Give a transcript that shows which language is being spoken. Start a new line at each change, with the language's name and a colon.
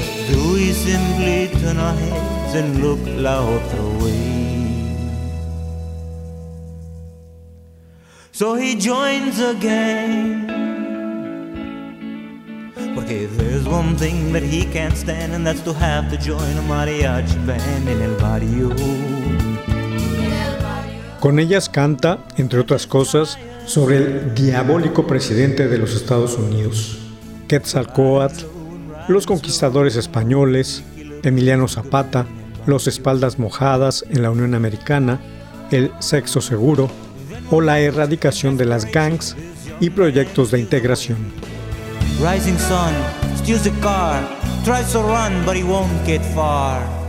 English: Do we simply turn our heads and look the other way? So he joins a gang,
Spanish: porque
English: there's one thing that he can't stand, and that's to have to join a mariachi band in
Spanish: el barrio. Con ellas canta, entre otras cosas, sobre el diabólico presidente de los Estados Unidos, Quetzalcóatl, los conquistadores españoles, Emiliano Zapata, los espaldas mojadas en la Unión Americana, el sexo seguro o la erradicación de las gangs y proyectos de integración.
English: Rising sun, steals the car, tries to run, but he won't get far.